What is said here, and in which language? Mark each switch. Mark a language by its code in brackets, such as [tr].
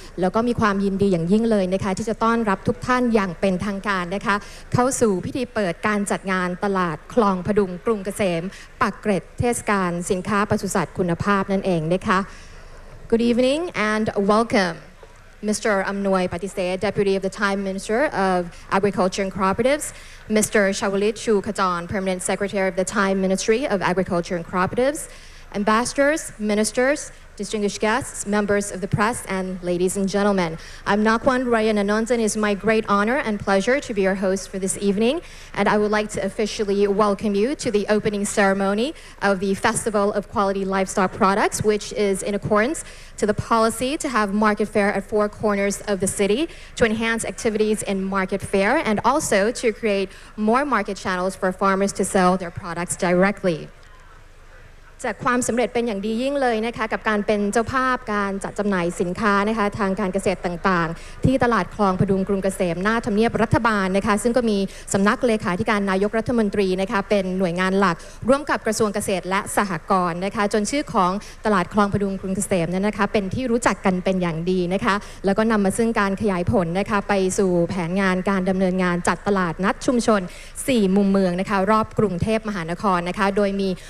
[th] แล้วก็มีความยินดีอย่างยิ่งเลยนะคะที่จะต้อนรับทุกท่านอย่างเป็นทางการนะคะเข้าสู่พิธีเปิดการจัดงานตลาดคลองพดุงกรุงเกษมปากเกร็ดเทศกาลสินค้าปศุสัตว์คุณภาพนั่นเองนะคะ [en] Good evening and welcome Mr. Amnoy Patisay, Deputy of the Thai Minister of Agriculture and Cooperatives, Mr. Chawalit Chu Khajon, Permanent Secretary of the Thai Ministry of Agriculture and Cooperatives, Ambassadors, Ministers, Distinguished Guests, Members of the Press, and Ladies and Gentlemen. I'm Nakwan Ryan Anonzen. It's my great honor and pleasure to be your host for this evening, and I would like to officially welcome you to the opening ceremony of the Festival of Quality Livestock Products, which is in accordance to the policy to have market fair at four corners of the city to enhance activities in market fair and also to create more market channels for farmers to sell their products directly. [th] จากความสำเร็จเป็นอย่างดียิ่งเลยนะคะกับการเป็นเจ้าภาพการจัดจำหน่ายสินค้านะคะทางการเกษตรต่างๆที่ตลาดคลองพดุงกรุงเกษมหน้าทำเนียบรัฐบาลนะคะซึ่งก็มีสำนักเลขาธิการนายกรัฐมนตรีนะคะเป็นหน่วยงานหลักร่วมกับกระทรวงเกษตรและสหกรณ์นะคะจนชื่อของตลาดคลองพดุงกรุงเกษมนั้นนะคะเป็นที่รู้จักกันเป็นอย่างดีนะคะแล้วก็นำมาซึ่งการขยายผลนะคะไปสู่แผนงานการดำเนินงานจัดตลาดนัดชุมชน4มุมเมืองนะคะรอบกรุงเทพมหานครนะคะโดยมี